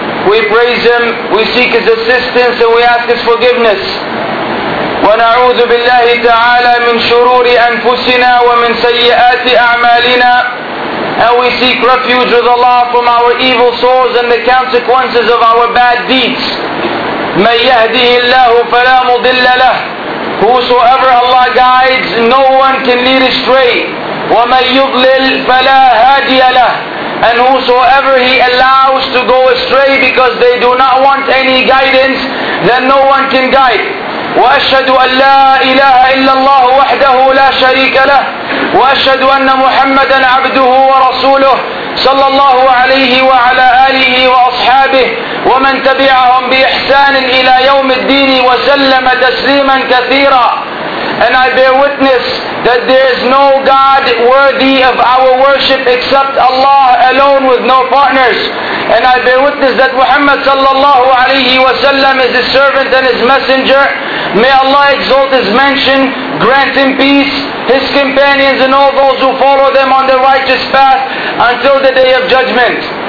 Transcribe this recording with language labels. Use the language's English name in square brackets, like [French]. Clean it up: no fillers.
[English] We praise Him, we seek His assistance, and we ask His forgiveness. [Arabic] ونعوذ بالله تعالى من شرور أنفسنا ومن سيئات أعمالنا. [English] And we seek refuge with Allah from our evil souls and the consequences of our bad deeds. [Arabic] من يهده الله فلا مضل له. [English] Whosoever Allah guides, no one can lead astray. [Arabic] ومن يضلل فلا هادي له. [English] And whosoever He allows to go astray because they do not want any guidance, then no one can guide. [Arabic] وأشهد أن لا إله إلا الله وحده لا شريك له. وأشهد أن محمدا عبده ورسوله صلى الله عليه وعلى آله وأصحابه ومن تبعهم بإحسان إلى يوم الدين وسلم تسليما كثيرا. [English] And I bear witness that there is no God worthy of our worship except Allah alone with no partners. And I bear witness that Muhammad sallallahu alayhi wa sallam is His servant and His messenger. May Allah exalt His mention, grant Him peace, His companions and all those who follow them on the righteous path until the day of judgment.